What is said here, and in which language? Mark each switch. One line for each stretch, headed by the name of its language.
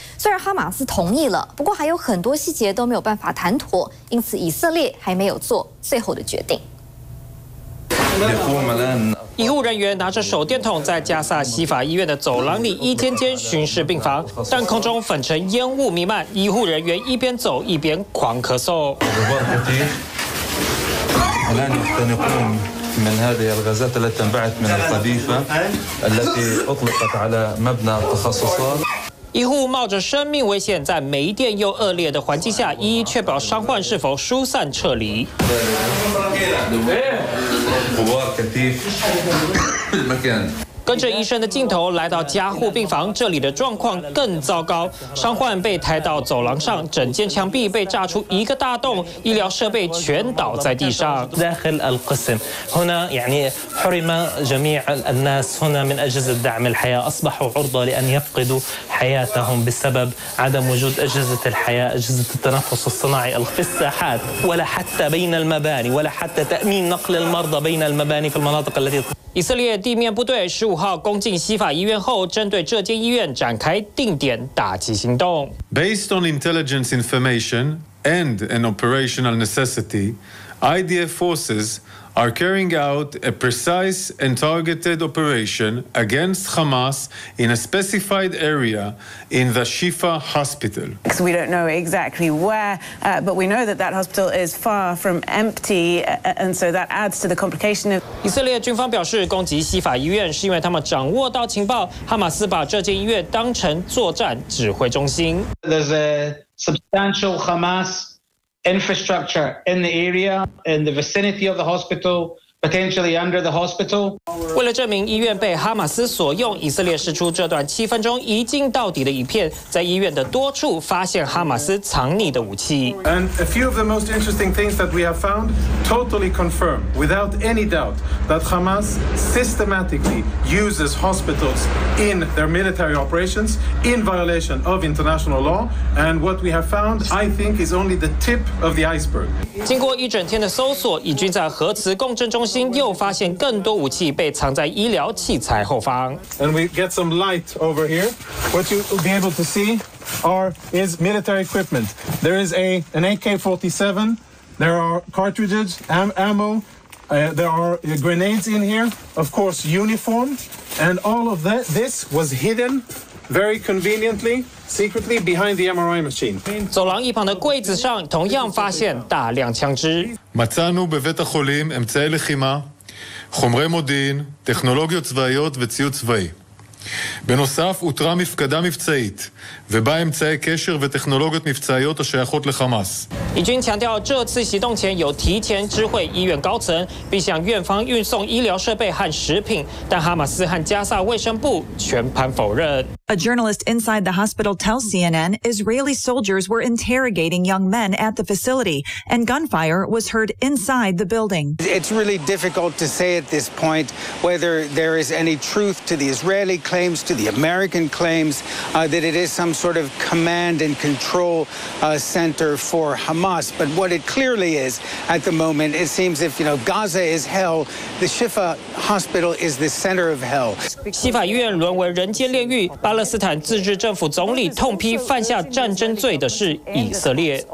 Chinese: 虽然哈马斯同意了，不过还有很多细节都没有办法谈妥，因此以色列还没有做最后的决定。医护人员拿着手电筒在加萨西法医院的走廊里一间间巡视病房，但空中粉尘烟雾弥漫，医护人员一边走一边狂咳嗽。
Arabic: من هذه الغازات التي تنبعث من القذيفة التي أطلقت على مبنى تخصصات。
Chinese: 医护冒着生命危险，在没电又恶劣的环境下，一一确保伤患是否疏散撤离。跟着医生的镜头来到加护病房，这里的状况更糟糕，伤患被抬到走廊上，整间墙壁被炸出一个大洞，医疗设备全倒在地上。
Arabic: داخل القسم هنا يعني حرم جميع الناس هنا من أجهزة دعم الحياة أصبحوا عرضة لأن يفقدوا حياتهم بسبب عدم وجود أجهزة الحياة أجهزة التنفس الصناعي في الساحات ولا حتى بين المباني ولا حتى تأمين نقل المرضى بين المباني في المناطق التي。
Chinese: 以色列地面部队十五号攻进西法医院后，针对这间医院展开定点打击行动。
English: Based on intelligence information and an operational necessity, IDF forces are carrying out a precise and targeted operation against Hamas in a specified area in the Shifa Hospital. Because we don't know exactly where, but we know that that hospital is far from empty, and so that adds to the complication of.
Chinese: 以色列军方表示，攻击西法医院是因为他们掌握到情报，哈马斯把这间医院当成作战指挥中心。
English: There's a substantial Hamas infrastructure in the area, in the vicinity of the hospital, potentially under the hospital.
Chinese: 为了证明医院被哈马斯所用，以色列释出这段七分钟一镜到底的影片，在医院的多处发现哈马斯藏匿的武器。
English: And a few of the most interesting things that we have found totally confirm, without any doubt, that Hamas systematically uses hospitals in their military operations in violation of international law. And what we have found, I think, is only the tip of the iceberg.
Chinese: 经过一整天的搜索，以军在核磁共振中心又发现更多武器被藏在医疗器材后方。
English: And we get some light over here. What you will be able to see is military equipment. There is an AK-47. There are cartridges, ammo. There are grenades in here. Of course, uniform. And all of that, this was hidden very conveniently, secretly behind the MRI machine.
Chinese: 走廊一旁的柜子上同样发现大量枪支。
Hebrew: מצאנו בבית החולים אמצעי לחימה. חומרי מודיעין, טכנולוגיות צבאיות וציוד צבאי. בנוסף, אותרה מפקדה מבצעית, ובה אמצעי קשר וטכנולוגיות מבצעיות השייכות לחמאס.
Chinese: 以军强调，这次行动前有提前知会医院高层，并向院方运送医疗设备和食品，但哈马斯和加萨卫生部全盘否认。
English: A journalist inside the hospital tells CNN Israeli soldiers were interrogating young men at the facility, and gunfire was heard inside the building. It's really difficult to say at this point whether there is any truth to the Israeli claims, to the American claims, that it is some sort of command and control center for Hamas. But what it clearly is at the moment, it seems if, you know, Gaza is hell, the Shifa Hospital is the center of hell.
Chinese: 西法医院沦为人间炼狱。巴勒斯坦自治政府总理痛批犯下战争罪的是以色列。